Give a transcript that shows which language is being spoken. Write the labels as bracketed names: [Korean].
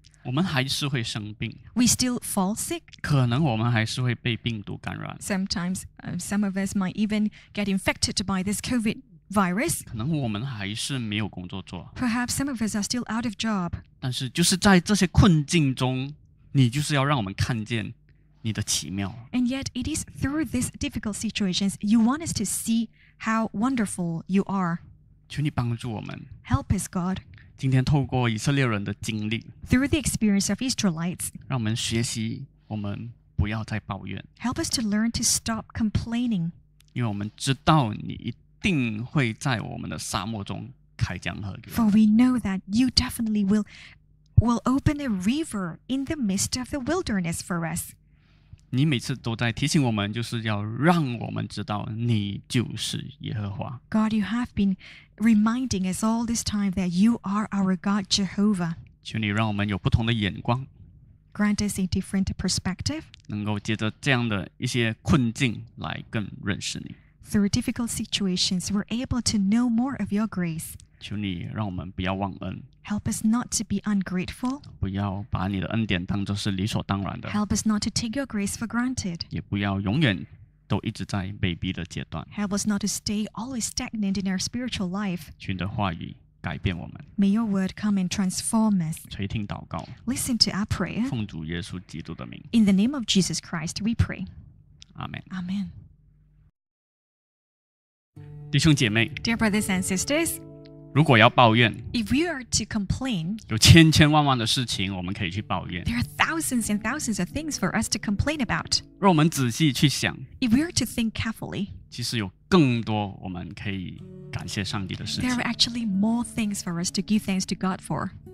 [Chinese] 我们还是会生病。 [English] We still fall sick. [Chinese] 可能我们还是会被病毒感染。 [English] Sometimes, some of us might even get infected by this COVID virus. [Chinese] 可能我们还是没有工作做。 [English] Perhaps some of us are still out of job. [Chinese] 但是就是在这些困境中，你就是要让我们看见你的奇妙。 [English] And yet, it is through these difficult situations you want us to see how wonderful you are. [Chinese] 求你帮助我们。 [English] Help us, God. [Chinese] 今天透过以色列人的经历 [English] Through the experience of Israelites [Chinese] 让我们学习我们不要再抱怨 [English] Help us to learn to stop complaining [Chinese] 因为我们知道你一定会在我们的沙漠中开江河给我们 [English] For we know that you definitely will will open a river in the midst of the wilderness for us. [Chinese] 你每次都在提醒我们，就是要让我们知道你就是耶和华。 [English] God, you have been reminding us all this time that you are our God, Jehovah. [Chinese] 求你让我们有不同的眼光。 [English] Grant us a different perspective. [Chinese] 能够借着这样的一些困境来更认识你。 [English] Through difficult situations, we're able to know more of your grace. [Chinese] 求你让我们不要忘恩。 [English] Help us not to be ungrateful. [Chinese] 不要把你的恩典当作是理所当然的。 [English] Help us not to take your grace for granted. [Chinese] 也不要永远都一直在被逼的阶段。 [English] Help us not to stay always stagnant in our spiritual life. [Chinese] 求你的话语改变我们。 [English] May your word come and transform us. [Chinese] 垂听祷告。 [English] Listen to our prayer. [Chinese] 奉主耶稣基督的名。 [English] In the name of Jesus Christ, we pray. Amen. Amen. [Chinese] 弟兄姐妹。 [English] Dear brothers and sisters. [Chinese] 如果要抱怨。 [English] If we are to complain. [Chinese] 有千千万万的事情我们可以去抱怨。 [English] There are thousands and thousands of things for us to complain about. [Chinese] 若我们仔细去想。 [English] If we are to think carefully. [Chinese] 其实有更多我们可以感谢上帝的事情。 [English] There are actually more things for us to give thanks to God for.